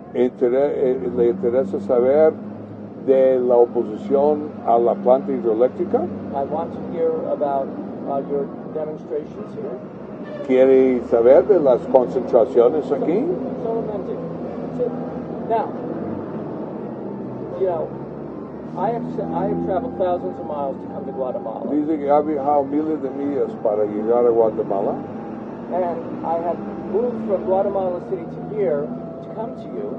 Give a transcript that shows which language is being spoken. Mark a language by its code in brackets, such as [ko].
[es] ¿Le interesa saber de la oposición a la planta hidroeléctrica? [en] I want to hear about your demonstrations here. [es] ¿Quiere saber de las concentraciones aquí? Solamente. [en] Now, you know, I have traveled thousands of miles to come to Guatemala. [es] Dice que ha viajado miles de millas para llegar a Guatemala. [en] And I have moved from Guatemala City to here come to you,